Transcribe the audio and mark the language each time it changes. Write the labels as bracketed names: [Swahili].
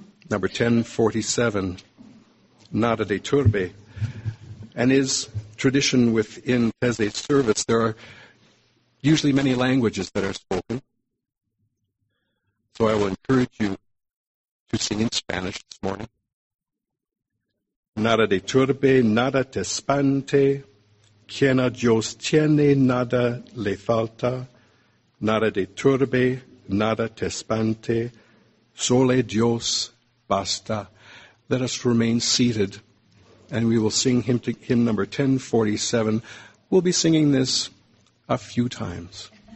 [English] Number 1047, Nada de Turbe. And is tradition within Tessa service. There are usually many languages that are spoken. So I will encourage you to sing in Spanish this morning. [Spanish] Nada de turbe, nada te espante, quien a Dios tiene nada le falta, nada de turbe, nada te espante, solo Dios basta. [English] Let us remain seated, and we will sing hymn number 1047. We'll be singing this a few times.